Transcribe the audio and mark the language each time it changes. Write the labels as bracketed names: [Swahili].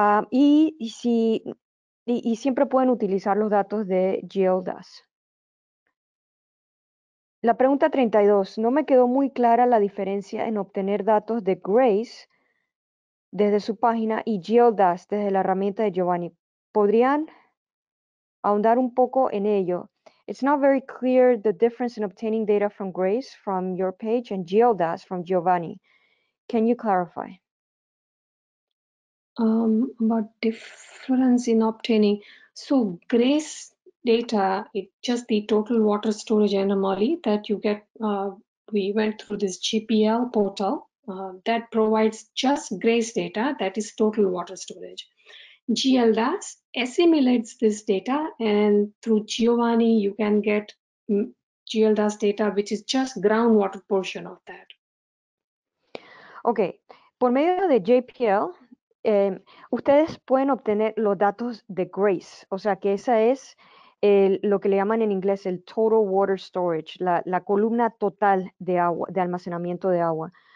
[Spanish] Y siempre pueden utilizar los datos de GeoDAS. La pregunta 32. No me quedó muy clara la diferencia en obtener datos de GRACE desde su página y GeoDAS desde la herramienta de Giovanni. ¿Podrían ahondar un poco en ello? [English] It's not very clear the difference in obtaining data from GRACE from your page and GeoDAS from Giovanni. Can you clarify? About difference in obtaining. So GRACE data, it just the total water storage anomaly that you get, we went through this GPL portal, that provides just GRACE data, that is total water storage. GLDAS assimilates this data, and through Giovanni, you can get GLDAS data, which is just groundwater portion of that. [Spanish] Okay, por medio de GPL, ustedes pueden obtener los datos de GRACE, o sea que esa es lo que le llaman en inglés el [English] total water storage, [Spanish] la columna total de agua, de almacenamiento de agua.